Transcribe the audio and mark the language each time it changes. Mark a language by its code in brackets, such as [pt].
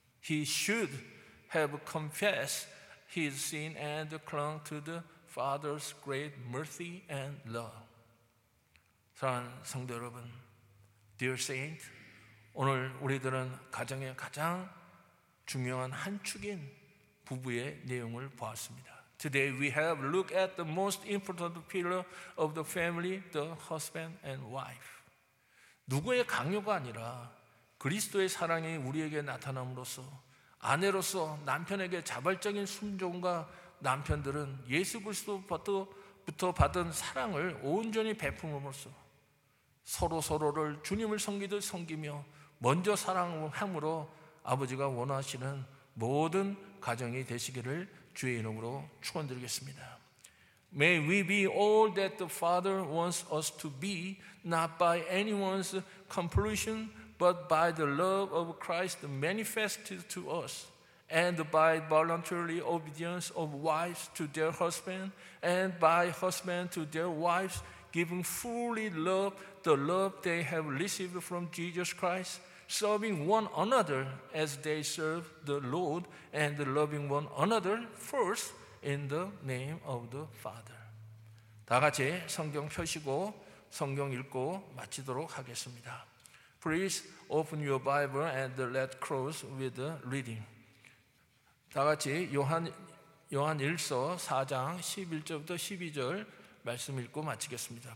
[en] He should have confessed his sin and clung to the Father's great mercy and love. [ko] 사랑하는 성도 여러분, [en] Dear Saint, [ko] 오늘 우리들은 가정의 가장 중요한 한 축인 부부의 내용을 보았습니다. [en] Today we have looked at the most important pillar of the family, the husband and wife. [ko] 누구의 강요가 아니라 그리스도의 사랑이 우리에게 나타남으로써 아내로서 남편에게 자발적인 순종과 남편들은 예수 그리스도부터 받은 사랑을 온전히 베품으로써 서로 서로를 주님을 섬기듯 섬기며 먼저 사랑함으로 아버지가 원하시는 모든 가정이 되시기를 주의 이름으로 축원드리겠습니다. [en] May we be all that the Father wants us to be, not by anyone's completion, but by the love of Christ manifested to us, and by voluntary obedience of wives to their husband, and by husband to their wives, giving fully love, the love they have received from Jesus Christ, serving one another as they serve the Lord, and loving one another first in the name of the Father. [ko] 다 같이 성경 펴시고 성경 읽고 마치도록 하겠습니다. [en] Please open your Bible and let's close with the reading. [ko] 다 같이 요한일서 4장 11절부터 12절 말씀 읽고 마치겠습니다.